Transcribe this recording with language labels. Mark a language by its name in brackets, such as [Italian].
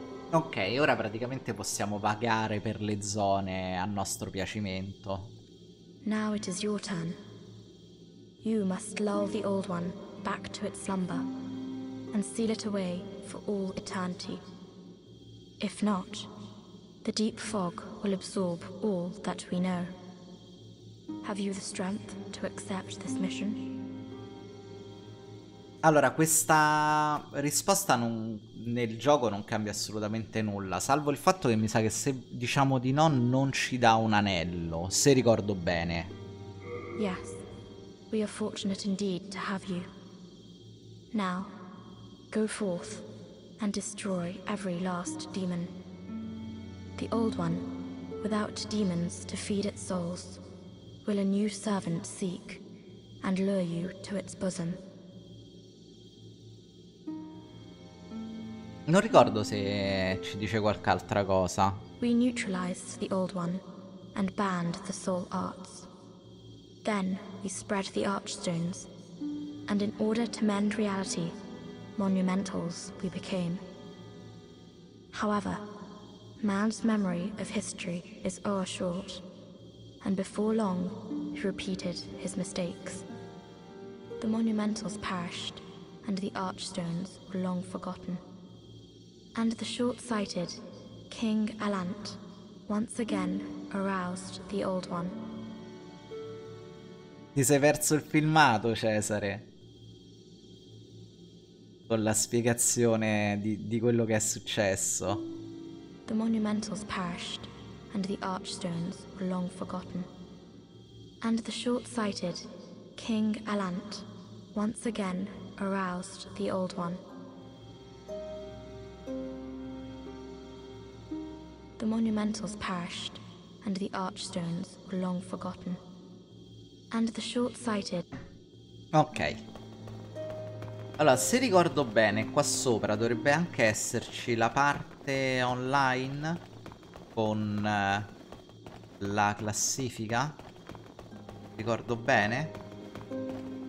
[Italian] Ok, ora praticamente possiamo vagare per le zone a nostro piacimento. [English] Now it is your turn. You must lull the Old One back to its slumber and seal it away for all eternity. If not, the deep fog will absorb all that we know. Have you the strength to accept this mission? [Italian] Allora, questa risposta non, nel gioco non cambia assolutamente nulla, salvo il fatto che mi sa che se diciamo di no non ci dà un anello, se ricordo bene. [English] Yes, we are fortunate indeed to have you. Now, go forth and destroy every last demon. The Old One, without demons to feed its souls, will a new servant seek and lure you to its bosom. [Italian] Non ricordo se ci dice qualche altra cosa. [English] We neutralized the Old One and banned the soul arts. Then we spread the archstones, and in order to mend reality, monumentals we became. However, man's memory of history is o'ershort, and before long he repeated his mistakes. The monumentals perished, and the archstones were long forgotten. And the short-sighted King Alant once again aroused the Old One. [Italian] Ti sei perso il filmato, Cesare? Con la spiegazione di quello che è successo. [English] The monumentals perished, and the archstones were long forgotten. And the short-sighted King Alant once again aroused the Old One. The monumentals perished, and the archstones were long forgotten. And the short-sighted... Ok. [Italian] Allora, se ricordo bene, qua sopra dovrebbe anche esserci la parte online con la classifica. Ricordo bene?